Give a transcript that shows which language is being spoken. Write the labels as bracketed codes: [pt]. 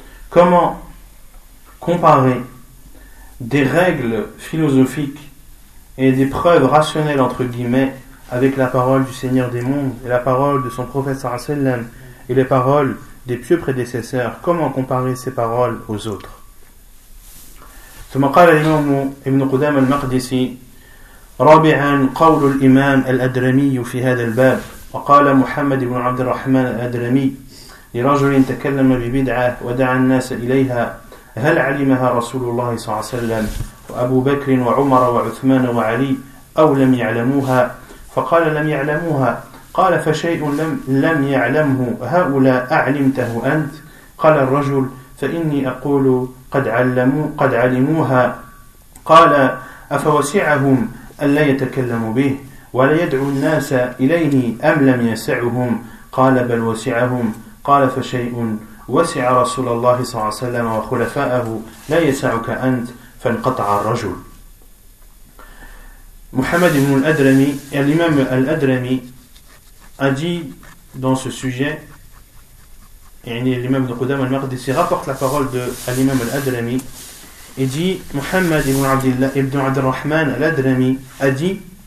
[fr] Comment comparer des règles philosophiques et des preuves rationnelles, entre guillemets, avec la parole du Seigneur des mondes et la parole de son prophète sallallahu alayhi wa sallam et les paroles des pieux prédécesseurs? Comment comparer ces paroles aux autres? [ar] ثم قال الإمام ابن قدامة المقدسي رابعا قول الإمام الأدرمي في هذا الباب وقال محمد بن عبد الرحمن الأدرمي لرجل تكلم ببدعة ودعا الناس إليها هل علمها رسول الله صلى الله عليه وسلم وأبو بكر وعمر وعثمان وعلي أو لم يعلموها؟ فقال لم يعلموها. قال فشيء لم يعلمه هؤلاء أعلمته أنت؟ قال الرجل فإني أقول قد علموها. قال أفوسعهم ألا يتكلموا به ولا يدعو الناس إليه أم لم يسعهم؟ قال بل وسعهم. قال فشيء وسع رسول الله صلى الله عليه وسلم وخلفائه لا يسعك أنت فانقطع الرجل. [fr] محمد بن الأدرمي الإمام الأدرمي a dit dans ce sujet, [ar] يعني الإمام القدامى المقدسي [fr] rapporte la parole de l'imam al-Adrami et dit محمد بن عبد الرحمن الأدرمي a dit